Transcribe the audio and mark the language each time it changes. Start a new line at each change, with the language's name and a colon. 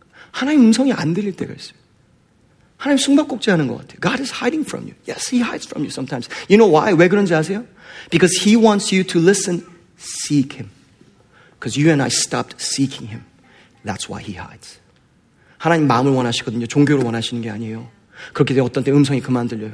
Korean: 하나님 음성이 안 들릴 때가 있어요. 하나님 숨바꼭질 하는 것 같아요.
English: God is hiding from you. Yes, he hides from you sometimes. You know why?
Korean: 왜 그런지 아세요?
English: Because he wants you to listen, seek him. Because you and I stopped seeking him. That's why he hides.
Korean: 하나님 마음을 원하시거든요. 종교를 원하시는 게 아니에요. 그렇게 되면 어떤 때 음성이 그만 안 들려요.